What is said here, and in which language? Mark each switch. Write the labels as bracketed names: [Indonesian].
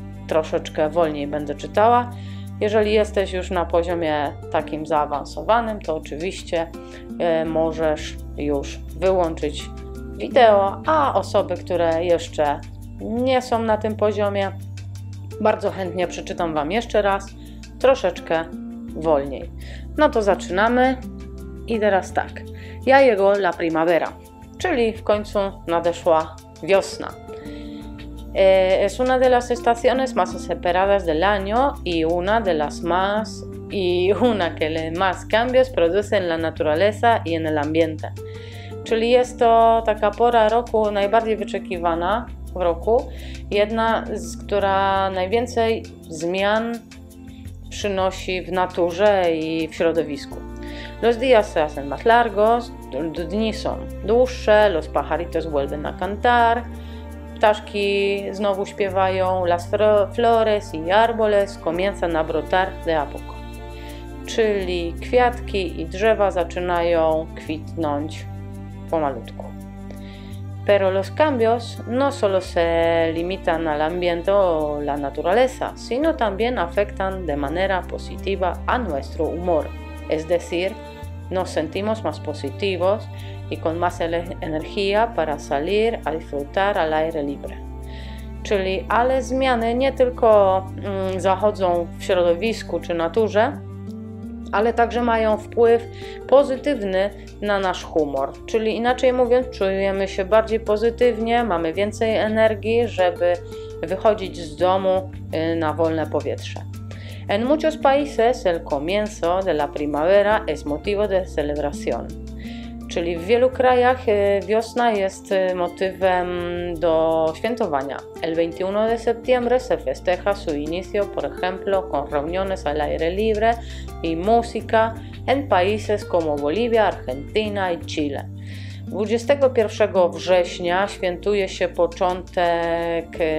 [Polish] Troszeczkę wolniej będę czytała. Jeżeli jesteś już na poziomie takim zaawansowanym, to oczywiście możesz już wyłączyć wideo, a osoby, które jeszcze nie są na tym poziomie, bardzo chętnie przeczytam Wam jeszcze raz, troszeczkę wolniej. No to zaczynamy. I teraz tak. [Spanish] Ya llegó la primavera, [Polish] czyli w końcu nadeszła wiosna. [Spanish] Es una de las estaciones más esperadas del año y una de las más y una que le más cambios produce en la naturaleza y en el ambiente. [Polish] Czyli jest to taka pora roku najbardziej wyczekiwana w roku, jedna z która najwięcej zmian przynosi w naturze i w środowisku. [Spanish] Los días se hacen más largos, [Polish] dni są dłuższe, [Spanish] los pajaritos vuelven a cantar, [Polish] ptaszki znowu śpiewają, [Spanish] las flores y árboles comienzan a brotar de a poco. [Polish] Czyli kwiatki i drzewa zaczynają kwitnąć pomalutku. [Spanish] Pero los cambios no solo se limitan al ambiente o la naturaleza, sino también afectan de manera positiva a nuestro humor. Es decir, nos sentimos más positivos y con más energía para salir a disfrutar al aire libre. [Polish] Czyli, ale zmiany nie tylko zachodzą w środowisku czy naturze, ale także mają wpływ pozytywny na nasz humor. Czyli inaczej mówiąc, czujemy się bardziej pozytywnie, mamy więcej energii, żeby wychodzić z domu na wolne powietrze. [Spanish] En muchos países el comienzo de la primavera es motivo de celebración. [Polish] Czyli w wielu krajach wiosna jest motywem do świętowania. [Spanish] El 21 de septiembre se festeja su inicio, por ejemplo, con reuniones al aire libre y música en países como Bolivia, Argentina y Chile. [Polish] 21 września świętuje się początek